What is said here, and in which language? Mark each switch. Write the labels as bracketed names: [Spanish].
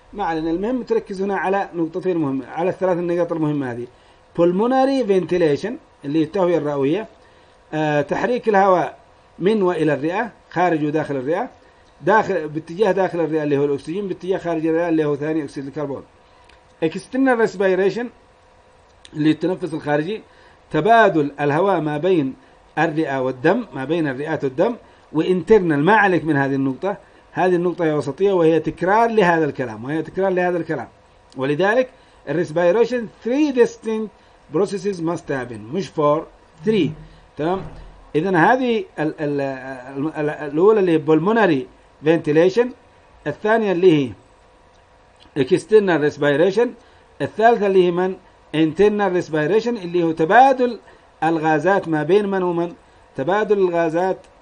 [Arabic] ما علينا، المهم تركز هنا على نقطتين مهمة، على الثلاث النقاط المهمة هذه: pulmonary ventilation اللي التهوية الرئوية، تحريك الهواء من وإلى الرئة خارج وداخل الرئة، داخل باتجاه داخل الرئة اللي هو الأكسجين، باتجاه خارج الرئة اللي هو ثاني أكسيد الكربون. external respiration اللي التنفس الخارجي، تبادل الهواء ما بين الرئة والدم، ما بين الرئات والدم. وإنترنال ما عليك من هذه النقطة، هذه النقطة هي وسطية، وهي تكرار لهذا الكلام، وهي تكرار لهذا الكلام. ولذلك الريسبيريشن [English] 3 distinct processes must happen، [Arabic] مش 4، 3. تمام. إذن هذه الأولى اللي هي pulmonary ventilation، الثانية اللي هي external respiration، الثالثة اللي هي من؟ internal respiration اللي هو تبادل الغازات ما بين من ومن، تبادل الغازات